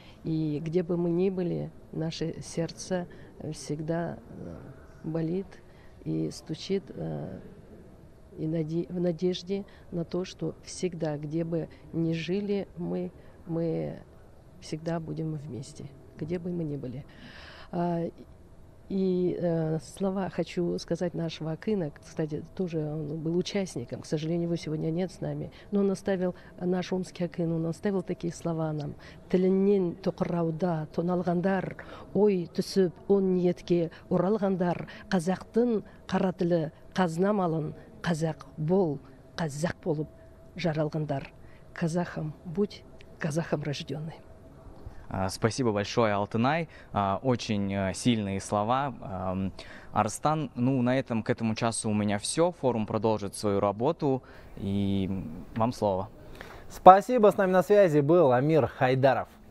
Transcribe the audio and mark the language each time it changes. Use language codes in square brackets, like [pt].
[ru] И где бы мы ни были, наше сердце всегда болит и стучит и в надежде на то, что всегда, где бы ни жили, мы всегда будем вместе, где бы мы ни были. И слова хочу сказать нашего Акына. Кстати, тоже он был участником. К сожалению, его сегодня нет с нами. Но он оставил, наш омский Акын, он оставил такие слова нам. [kk] Тілінен тоқырауда тоналғандар, ой түсіп он ниетке оралғандар, қазақтың қара тілі қазына малын, қазақ бол, қазақ болып жаралғандар. [ru] Казахом будь, казахом рожденный. Спасибо большое, Алтынай. Очень сильные слова. Арстан, ну, на этом, к этому часу у меня все. Форум продолжит свою работу. И вам слово. Спасибо. С нами на связи был Амир Хайдаров.